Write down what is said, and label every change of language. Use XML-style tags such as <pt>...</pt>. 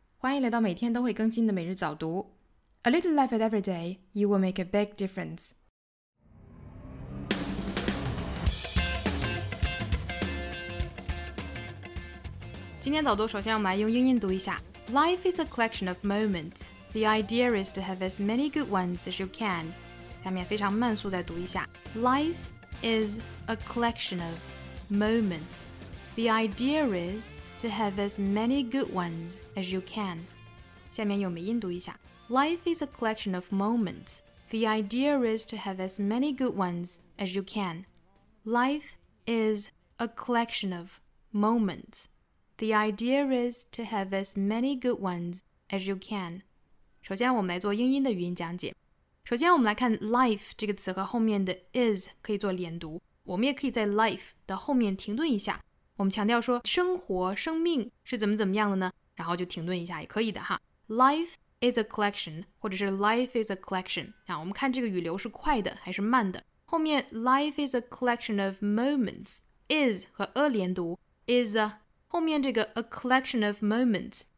<zh>欢迎来到每天都会更新的每日早读。</zh> <en>A little life at every day, you will make a big difference.</en> <zh>今天早读首先我们来用英音读一下。</zh> <en>Life is a collection of moments. The idea is to have as many good ones as you can.</en> <zh>下面非常慢速再读一下。</zh> <en>Life is a collection of moments. The idea is... To have as many good ones as you can.</en> <zh>下面用美音读一下。</zh> <en>Life is a collection of moments. The idea is to have as many good ones as you can. Life is a collection of moments. The idea is to have as many good ones as you can.</en> <zh>首先我们来做英音的语音讲解。首先我们来看 life 这个词和后面的 is 可以做连读。我们也可以在 life 的后面停顿一下。我们强调说生活生命是怎么怎么样的呢然后就停顿一下也可以的哈</zh> <en>Life is a collection</en> <zh>或者是</zh> <en>life is a collection</en> <zh>啊，我们看这个语流是快的还是慢的后面</zh> <en>life is a collection of moments is</en> <zh>和 a 连读</zh> <en>is a</en> <zh>后面这个</zh> <en>a collection of moments</en>